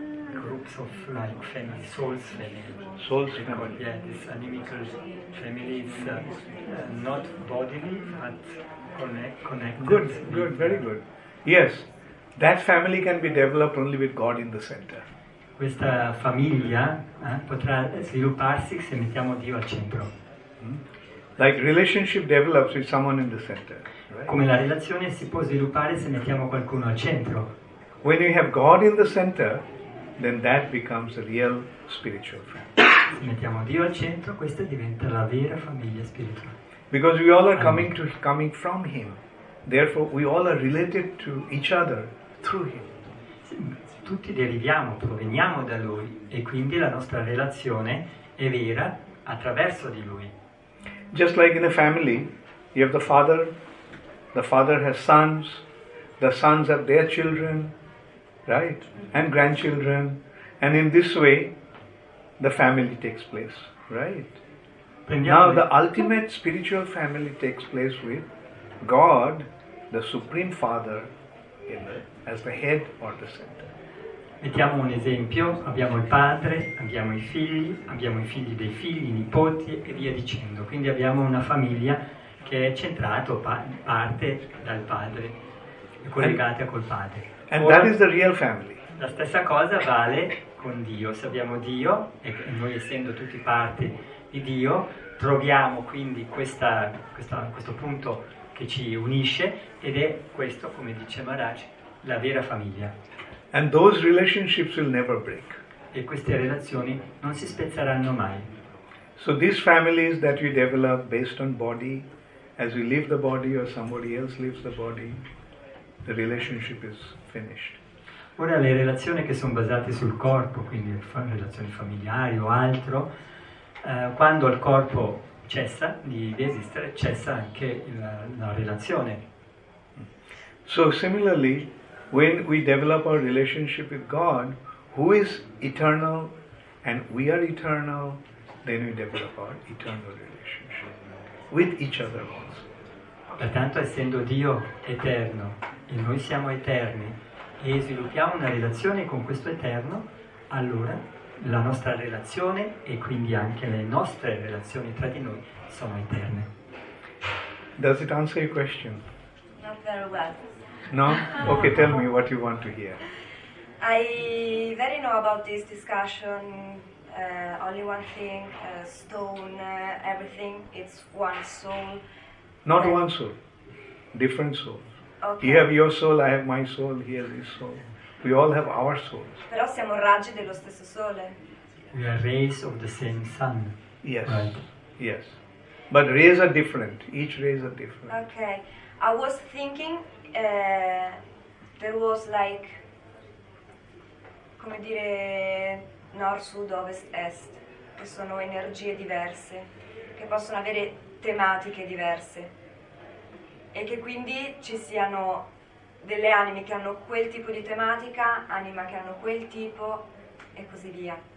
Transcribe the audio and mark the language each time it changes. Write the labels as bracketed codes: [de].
[en] Groups of like family, souls family. Souls family. Yeah, this animical family is not bodily, but connected. Good, good, very good. Yes, that family can be developed only with God in the center. [it] Questa famiglia potrà svilupparsi se mettiamo Dio al centro. [en] Like relationship develops with someone in the center. Right? [it] Come la relazione si può sviluppare se mettiamo qualcuno al centro. [en] When you have God in the center, then that becomes a real spiritual family. [it] Se mettiamo Dio al centro, questa diventa la vera famiglia spirituale. [en] Because we all are coming from Him. Therefore, we all are related to each other through Him. [it] Sì, tutti deriviamo, proveniamo da Lui, e quindi la nostra relazione è vera attraverso di Lui. [en] Just like in a family, you have the father has sons, the sons have their children, right? And grandchildren. And in this way, the family takes place, right? Now the ultimate spiritual family takes place with God, the Supreme Father, as the head or the center. [it] Mettiamo un esempio, abbiamo il padre, abbiamo i figli dei figli, i nipoti e via dicendo. Quindi abbiamo una famiglia che è centrata, parte dal padre, è collegata col padre. [en] And that is the real family. [it] La stessa cosa vale con Dio. Se abbiamo Dio, e noi essendo tutti parte di Dio, troviamo quindi questo punto che ci unisce, ed è questo, come dice Maharaj, la vera famiglia. [en] And those relationships will never break. [it] E queste relazioni non si spezzeranno mai. [en] So these families that we develop based on body, as we leave the body or somebody else leaves the body, the relationship is finished. [it] Ora le relazioni che sono basate sul corpo, quindi relazioni familiari o altro, quando il corpo cessa di esistere, cessa anche la relazione. [en] So similarly, when we develop our relationship with God, who is eternal and we are eternal, then we develop our eternal relationship with each other also. [it] Pertanto, essendo Dio eterno e noi siamo eterni e sviluppiamo una relazione con questo eterno, allora la nostra relazione e quindi anche le nostre relazioni tra di noi sono eterne. [en] Does it answer your question? Not very well. No? Okay, tell me what you want to hear. I very know about this discussion, only one thing, stone, everything, it's one soul. Not one soul, different souls. Okay. You have your soul, I have my soul, he has his soul. We all have our souls. [it] Però siamo raggi dello stesso sole. [en] We are rays of the same sun. Yes, right. Yes. But rays are different, each rays are different. Okay, I was thinking... there was like, [it] come dire, nord, sud, ovest, est, che sono energie diverse, che possono avere tematiche diverse, e che quindi ci siano delle anime che hanno quel tipo di tematica, anima che hanno quel tipo, e così via.